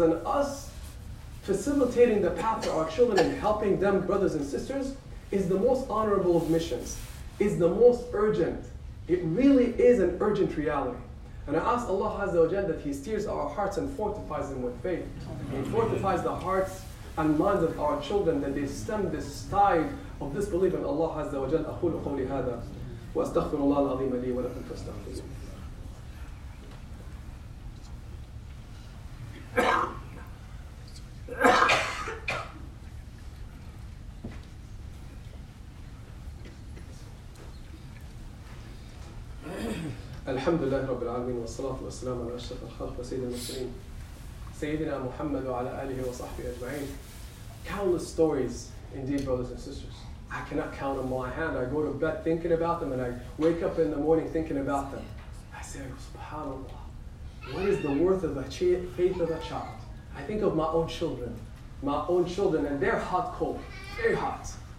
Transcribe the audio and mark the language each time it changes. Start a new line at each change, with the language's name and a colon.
English: And us facilitating the path for our children and helping them, brothers and sisters, is the most honorable of missions, is the most urgent. It really is an urgent reality. And I ask Allah Azza wa Jalla that He steers our hearts and fortifies them with faith. He fortifies the hearts and minds of our children that they stem this tide of disbelief in Allah Azza wa Jalla.
Arabic: أقول قولي هذا وأستغفر الله العظيم لي ولكم فاستغفروه. الحمد لله رب العالمين والصلاة والسلام على أشرف الخلق وسيد المرسلين سيدنا محمد وعلى آله وصحبه أجمعين.
English: Countless stories, indeed, brothers and sisters. I cannot count them on my hand. I go to bed thinking about them, and I wake up in the morning thinking about them. I say, Subhanallah, what is the worth of the faith of a child? I think of my own children, and they're hot, cold, very hot.